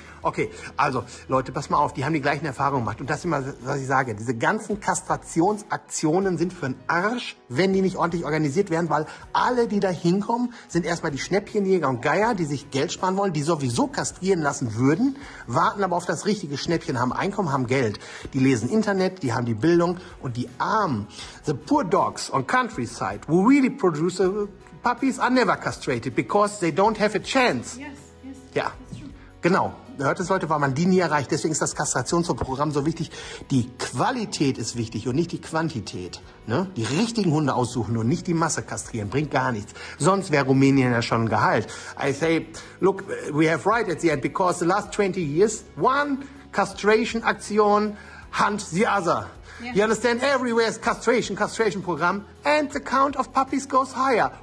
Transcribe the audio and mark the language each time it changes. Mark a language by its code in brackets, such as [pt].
[de] Okay, also, Leute, pass mal auf, die haben die gleichen Erfahrungen gemacht. Und das ist immer, was ich sage, diese ganzen Kastrationsaktionen sind für den Arsch, wenn die nicht ordentlich organisiert werden, weil alle, die da hinkommen, sind erstmal die Schnäppchenjäger und Geier, die sich Geld sparen wollen, die sowieso kastrieren lassen würden, warten aber auf das richtige Schnäppchen, haben Einkommen, haben Geld. Die lesen Internet, die haben die Bildung und die Armen. [en] The poor dogs on countryside who really produce puppies are never castrated because they don't have a chance. Yes, yes. [de] Yeah. Genau. Der Hörte sollte, weil man die nie erreicht. Deswegen ist das Kastrationsprogramm so wichtig. Die Qualität ist wichtig und nicht die Quantität. Ne? Die richtigen Hunde aussuchen und nicht die Masse kastrieren. Bringt gar nichts. Sonst wäre Rumänien ja schon geheilt. [en] I say, look, we have right at the end, because the last 20 years, one castration action hunt the other. Yeah. You understand? Everywhere is castration, castration program, and the count of puppies goes higher.